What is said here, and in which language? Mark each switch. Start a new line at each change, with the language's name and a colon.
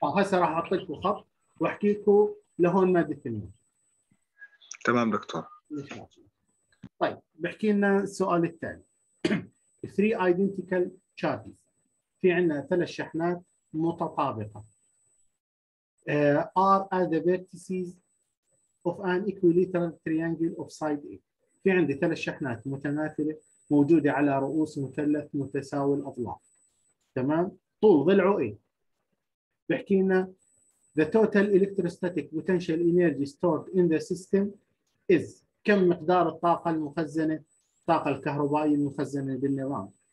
Arabic: هسه راح احط لكم خط واحكي لكم لهون مادة المادة. تمام دكتور. طيب بحكي لنا السؤال الثاني.
English: 3 identical charges،
Arabic: في عندنا ثلاث شحنات متطابقة.
English: Are at the vertices of an equilateral triangle of side A.
Arabic: في عندي ثلاث شحنات متماثلة موجودة على رؤوس مثلث متساوي الأضلاع. تمام؟ طول ضلعه A. بحكي لنا
English: the total electrostatic potential energy stored in the system is،
Arabic: كم مقدار الطاقة المخزنة، الطاقة الكهربائية المخزنة بالنظام.